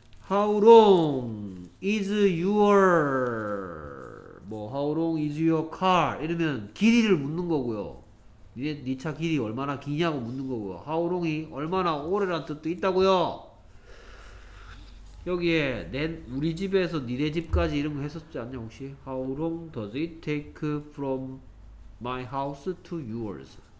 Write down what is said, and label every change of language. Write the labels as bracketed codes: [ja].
[en] How long is your 뭐 How long is your car? [ko] 이러면 길이를 묻는 거고요. 네, 네 차 길이 얼마나 기냐고 묻는 거고요. [en] How long [ko] 이 얼마나 오래라는 뜻도 있다고요. 여기에 내 우리 집에서 니네 집까지 이런 거 했었지 않냐 혹시? [en] How long does it take from my house to yours?